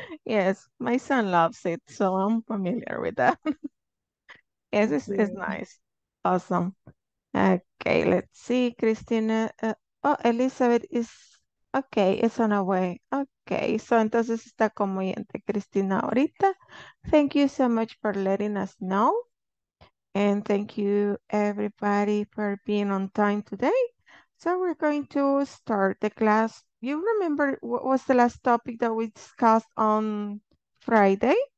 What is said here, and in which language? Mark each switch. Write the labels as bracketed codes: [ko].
[en] Yes, my son loves it, so I'm familiar with that. Yes, it's nice. Awesome. Okay, let's see, Cristina. Oh, Elizabeth is okay, it's on our way. Okay. [es] Okay, so entonces está como oyente Cristina ahorita. [en] Thank you so much for letting us know. And thank you everybody for being on time today. So we're going to start the class. You remember what was the last topic that we discussed on Friday?